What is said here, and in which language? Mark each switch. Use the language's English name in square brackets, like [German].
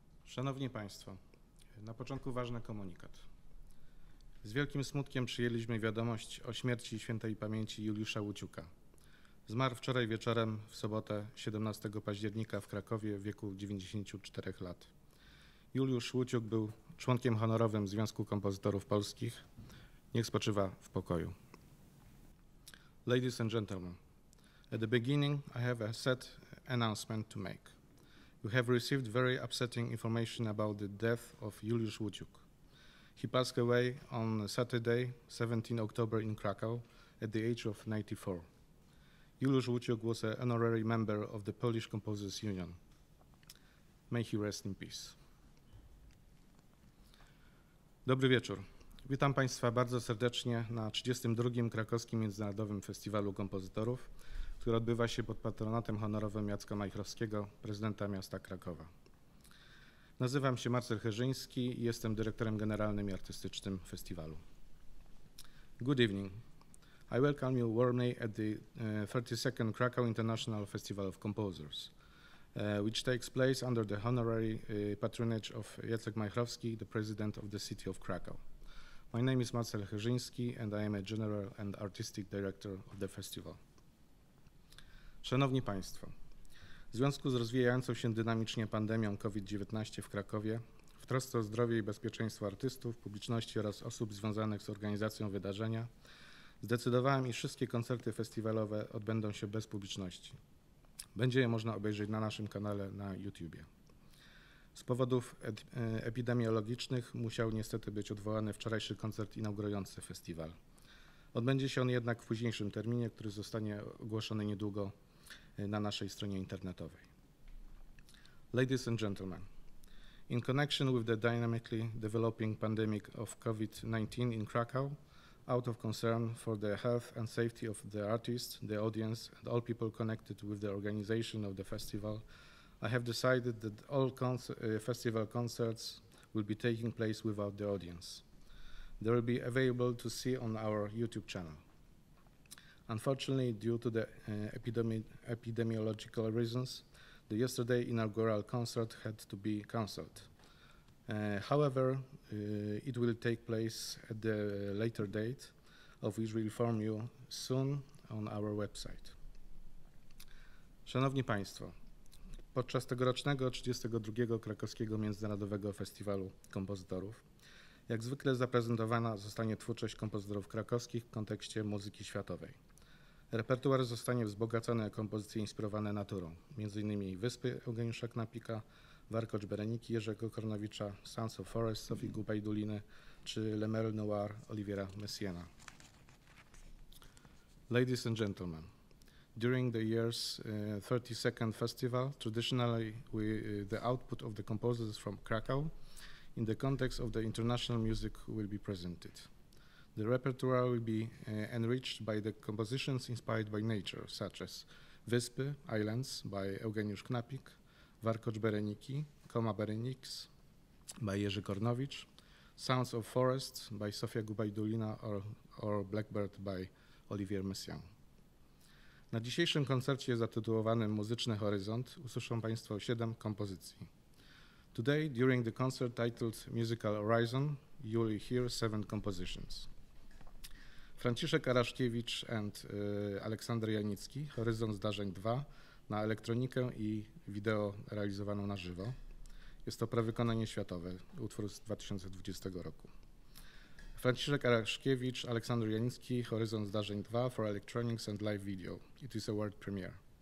[Polish] Szanowni Państwo, na początku ważny komunikat. Z wielkim smutkiem przyjęliśmy wiadomość o śmierci świętej pamięci Juliusza Łuciuka. Zmarł wczoraj wieczorem w sobotę 17 października w Krakowie w wieku 94 lat. Juliusz Łuciuk był członkiem honorowym Związku Kompozytorów Polskich. Niech spoczywa w pokoju. [English] Ladies and gentlemen, at the beginning I have a sad announcement to make. You have received very upsetting information about the death of Juliusz Łuciuk. He passed away on Saturday, 17 October in Krakow at the age of 94. Juliusz Łuciuk was an honorary member of the Polish Composers Union. May he rest in peace. [Polish] Dobry wieczór. Witam Państwa bardzo serdecznie na 32. Krakowskim Międzynarodowym Festiwalu Kompozytorów, który odbywa się pod patronatem honorowym Jacka Majchrowskiego, prezydenta miasta Krakowa. Nazywam się Marcel Herzyński i jestem dyrektorem generalnym i artystycznym festiwalu. [English] Good evening. I welcome you warmly at the 32nd Krakow International Festival of Composers, which takes place under the honorary patronage of Jacek Majchrowski, the president of the city of Krakow. My name is Marcel Herzyński and I am a general and artistic director of the festival. [Polish] Szanowni Państwo, w związku z rozwijającą się dynamicznie pandemią COVID-19 w Krakowie, w trosce o zdrowie i bezpieczeństwo artystów, publiczności oraz osób związanych z organizacją wydarzenia, zdecydowałem, iż wszystkie koncerty festiwalowe odbędą się bez publiczności. Będzie je można obejrzeć na naszym kanale na YouTubie. Z powodów epidemiologicznych musiał niestety być odwołany wczorajszy koncert inaugurujący festiwal. Odbędzie się on jednak w późniejszym terminie, który zostanie ogłoszony niedługo na naszej stronie internetowej. [English] Ladies and gentlemen, in connection with the dynamically developing pandemic of COVID-19 in Krakow, out of concern for the health and safety of the artists, the audience, and all people connected with the organization of the festival, I have decided that all festival concerts will be taking place without the audience. They will be available to see on our YouTube channel. Unfortunately, due to the epidemiological reasons, the yesterday inaugural concert had to be canceled. However, it will take place at the later date, of which we'll inform you soon on our website. [Polish] Szanowni Państwo, podczas tegorocznego 32. Krakowskiego Międzynarodowego Festiwalu Kompozytorów, jak zwykle zaprezentowana zostanie twórczość kompozytorów krakowskich w kontekście muzyki światowej. Repertuar zostanie wzbogacony o kompozycje inspirowane naturą, m.in. Wyspy Eugeniusza Knapika, Warkocz Bereniki Jerzego Kornowicza, Sons of Forest Sophie Goupaille-Duliny czy Le Mer Noir Oliviera Messiaena. [English] Ladies and gentlemen, during the year's 32nd festival, traditionally the output of the composers from Krakow in the context of the international music will be presented. The repertoire will be enriched by the compositions inspired by nature, such as Wyspy, Islands by Eugeniusz Knapik, Warkocz Bereniki, Coma Berenix by Jerzy Kornowicz, Sounds of Forest by Sofia Goupaille-Duliny or Blackbird by Olivier Messiaen. [Polish] Na dzisiejszym koncercie zatytułowanym Muzyczny Horyzont usłyszą Państwo 7 kompozycji. [English] Today, during the concert titled Musical Horizon, you will hear 7 compositions. [Polish] Franciszek Araszkiewicz and Aleksander Janicki, Horyzont Zdarzeń 2 na elektronikę i wideo realizowaną na żywo. Jest to prawykonanie światowe, utwór z 2020 roku. [English] Franciszek Araszkiewicz, Aleksander Janicki, Horyzont Zdarzeń 2 for Electronics and Live Video. It is a world premiere.